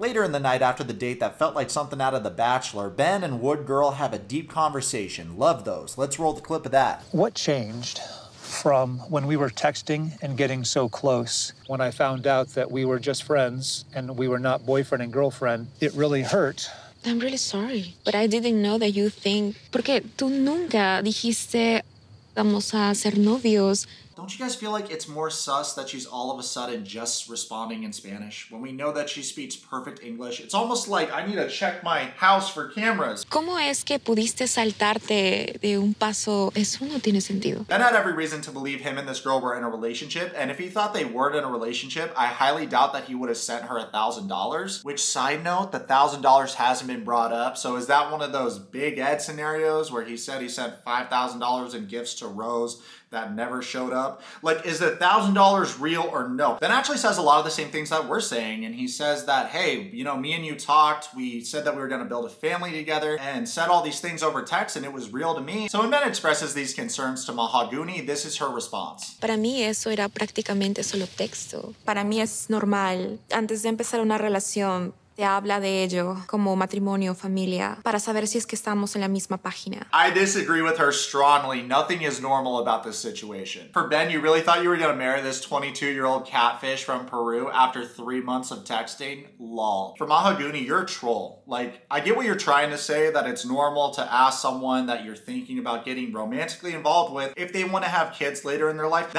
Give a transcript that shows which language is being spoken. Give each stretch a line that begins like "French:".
English: Later in the night after the date that felt like something out of The Bachelor, Ben and Wood Girl have a deep conversation. Love those. Let's roll the clip of that. What changed from when we were texting and getting so close. When I found out that we were just friends and we were not boyfriend and girlfriend, it really hurt. I'm really sorry, but I didn't know that you think...
Spanish: Porque tú nunca dijiste vamos a ser novios.
English: Don't you guys feel like it's more sus that she's all of a sudden just responding in Spanish? When we know that she speaks perfect English, it's almost like I need to check my house for cameras.
Spanish: ¿Cómo es que pudiste saltarte de un paso? Eso no tiene sentido.
English: Ben had every reason to believe him and this girl were in a relationship, and if he thought they weren't in a relationship, I highly doubt that he would have sent her $1,000. Which, side note, the $1,000 hasn't been brought up, so is that one of those Big Ed scenarios where he said he sent $5,000 in gifts to Rose that never showed up? Like, is the $1,000 real or no? Ben actually says a lot of the same things that we're saying, and he says that, hey, you know, me and you talked, we said that we were gonna build a family together, and said all these things over text, and it was real to me. So when Ben expresses these concerns to Mahogany, this is her response.
Spanish: Para mí eso era prácticamente solo texto. Para mí es normal. Antes de empezar una relación, te habla de ello como matrimonio, familia, para saber si es que estamos en la misma página.
English: I disagree with her strongly. Nothing is normal about this situation. For Ben, you really thought you were gonna marry this 22-year-old catfish from Peru after 3 months of texting? Lol. For Mahogany, you're a troll. Like, I get what you're trying to say, that it's normal to ask someone that you're thinking about getting romantically involved with if they want to have kids later in their life.